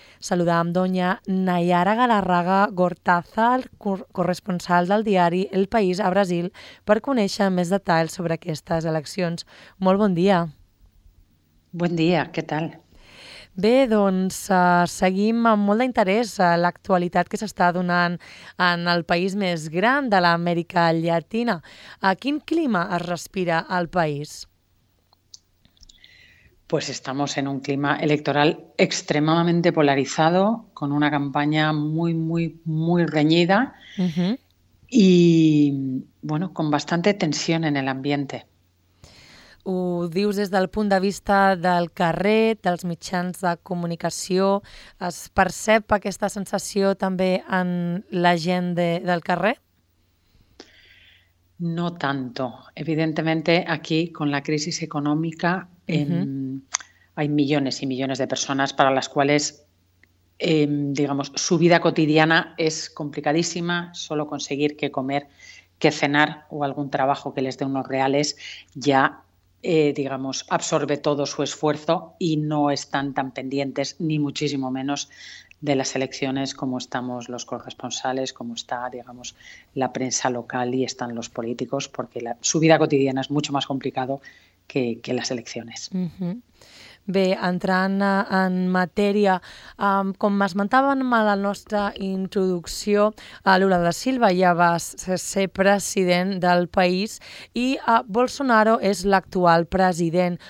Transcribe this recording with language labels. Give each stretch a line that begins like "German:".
Catalan: Saludam doña Nayara Galarraga Gortázar, corresponsal del diari El País a Brasil, per conèixer més detalls sobre aquestes eleccions. Molt bon dia. Bon dia, què tal? Bé, doncs seguim amb molt d'interès l'actualitat que s'està donant en el país més gran de l'Amèrica Llatina. A quin clima es respira al país?
Spanish: Pues estamos en un clima electoral extremadamente polarizado, con una campaña muy, muy, muy reñida y, bueno, con bastante tensión en el ambiente.
Catalan: Ho dius des del punt de vista del carrer, dels mitjans de comunicació. Es percep aquesta sensació també en la gent del carrer?
Spanish: No tanto. Evidentemente, aquí, con la crisis económica, hay millones y millones de personas para las cuales, digamos, su vida cotidiana es complicadísima. Solo conseguir que comer, que cenar o algún trabajo que les dé unos reales ya, digamos, absorbe todo su esfuerzo y no están tan pendientes, ni muchísimo menos, de las elecciones como estamos los corresponsales, como está, digamos, la prensa local y están los políticos, porque su vida cotidiana es mucho más complicado que las elecciones.
Catalan: Bé, entrant en matèria, com esmentàvem a la nostra introducció, Lula da Silva ja va ser president del país i Bolsonaro és l'actual president.